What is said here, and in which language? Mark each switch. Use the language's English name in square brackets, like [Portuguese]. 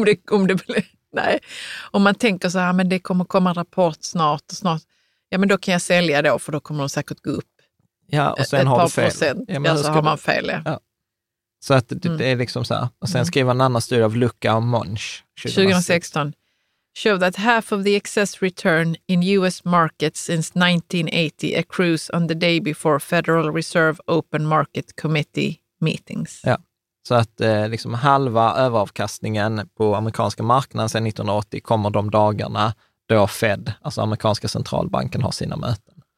[Swedish] om det blir, nej. Om man tänker så här, men det kommer komma en rapport snart och snart. Ja, men då kan jag sälja då, för då kommer de säkert gå upp. Ja, och sen ett har par du fel. Procent. Ja, men ja, så har man fel. Ja. Ja. Så att det är liksom så här. Och sen skriver en annan studie av Lucca och Munch 2016. [English] Show that half of the excess return in US markets since 1980 accrues on the day before Federal Reserve Open Market Committee meetings. [Swedish] Ja, så att liksom halva överavkastningen på amerikanska marknaden sedan 1980 kommer de dagarna då Fed, alltså amerikanska centralbanken, har sina möten.